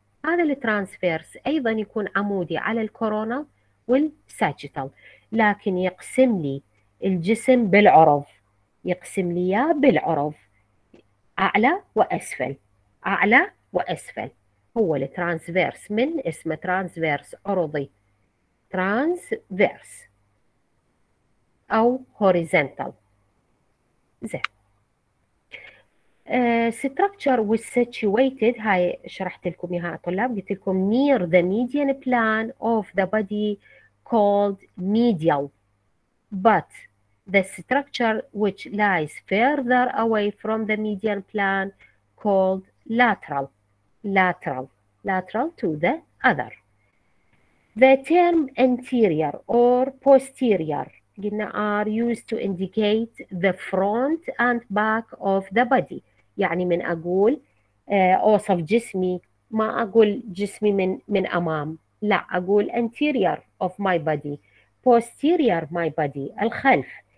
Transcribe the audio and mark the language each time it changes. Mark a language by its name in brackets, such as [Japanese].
[Arabic] هذا الترانسفيرس أيضا يكون عمودي على الكورونا والساجيتال، لكن يقسم لي الجسم بالعرض، يقسم لي إياه بالعرض أعلى وأسفل، أعلى وأسفل، هو الترانسفيرس، من اسمه ترانسفيرس عرضي، ترانسفيرس أو هوريزنتال. [English] زين، structure was situated، [Arabic] هاي شرحت لكم اياها طلاب، قلت لكم [English] near the median plan of the body called medial، but the structure which lies further away from the median plan called lateral، lateral، lateral to the other. The term anterior or posterior قلنا are used to indicate the front and back of the body، [Arabic] يعني من أقول أوصف جسمي ما أقول جسمي من أمام، لا أقول [English] anterior of my body، posterior my body الخلف،